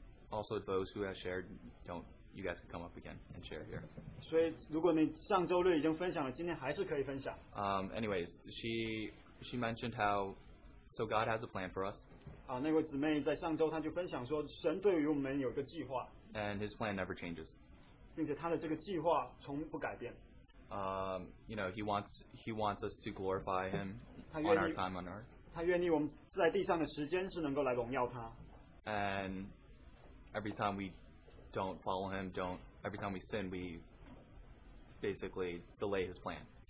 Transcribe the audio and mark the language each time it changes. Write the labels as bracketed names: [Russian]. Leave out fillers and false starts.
[English] Also, those who have shared, don't you guys can come up again and share here. [Chinese] 所以如果你上周六已经分享了，今天还是可以分享。 [English] Anyways, she mentioned how so God has a plan for us. [Chinese] 那位姊妹在上周她就分享说，神对于我们有一个计划。 [English] And His plan never changes. [Chinese] 并且他的这个计划从不改变。 [English] You know, he wants us to glorify Him on our time on earth. [Chinese] 他愿意我们在地上的时间是能够来荣耀他。 [English] And every time we don't follow Him, every time we sin, we basically delay His plan.